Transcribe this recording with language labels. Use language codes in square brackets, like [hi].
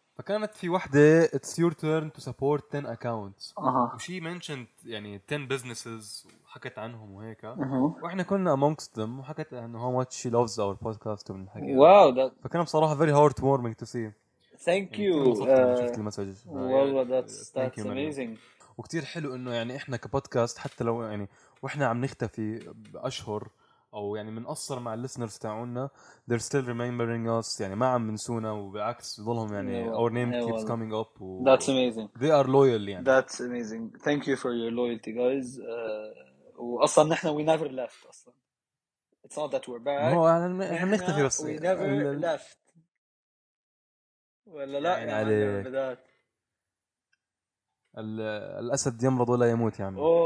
[ar] فكانت في واحدة [en] it's your turn to support 10 accounts وشي mentioned يعني 10 businesses [ar] وحكت عنهم وهيك وإحنا كنا [en] amongst them [ar] وحكت إنه [en] how much she loves our podcast [ar] ومن الحكي. واو ده فكان بصراحة [en] very heartwarming to see. Thank you. [ar] شفت المسج. والله [en] that's amazing. [ar] وكتير حلو إنه يعني إحنا كبودكاست حتى لو يعني وإحنا عم نختفي أشهر أو يعني منقصر مع الليسنرز تاعونا [en] they're still remembering us [ar] يعني ما عم منسونا وبالعكس ظلهم يعني [en] our name keeps coming up [ar] و... [en] that's amazing they are loyal يعني that's amazing thank you for your loyalty guys. [ar] وأصلا نحن [en] we never left [ar] أصلا [en] it's not that we're back [ar] مو يعني نحن نختفي بس [en] we never left [ar] ولا لا يعني على الأسد يمرض ولا يموت يعني